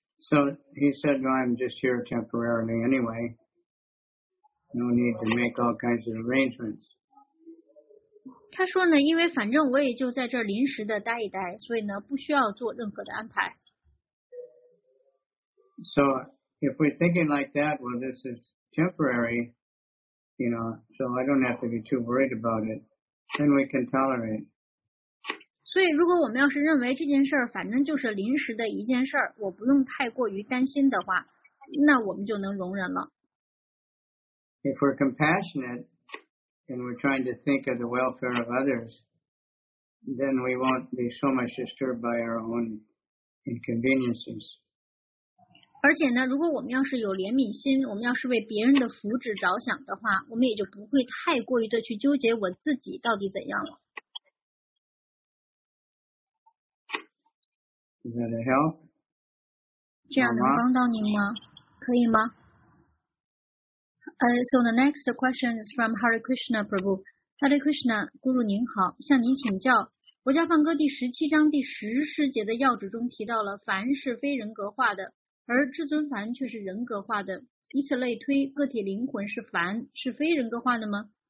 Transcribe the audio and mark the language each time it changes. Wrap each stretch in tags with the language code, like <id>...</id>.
<en>So he said, "No, I'm just here temporarily anyway. No need to make all kinds of arrangements."</en> <zh>他说呢，因为反正我也就在这临时的待一待，所以呢，不需要做任何的安排。</zh> <en>So. If we're thinking like that, well, this is temporary, you know, so I don't have to be too worried about it. Then we can tolerate.</en> <zh>所以如果我们要是认为这件事儿反正就是临时的一件事儿，我不用太过于担心的话，那我们就能容忍了。</zh> <en>If we're compassionate and we're trying to think of the welfare of others, then we won't be so much disturbed by our own inconveniences.</en> <zh>而且呢，如果我们要是有怜悯心，我们要是为别人的福祉着想的话，我们也就不会太过于的去纠结我自己到底怎样了。</zh> <en>Is that a help?</en> <zh>这样能帮到您吗？可以吗？</zh> <en>So the next question is from Hare Krishna Prabhu.</en> <zh>Hare Krishna, Guru 您好，向您请教。国家梵歌第十七章第十师节的要旨中提到了，凡是非人格化的。而至尊凡却是人格化的，以此类推，个体灵魂是凡，是非人格化的吗？</zh>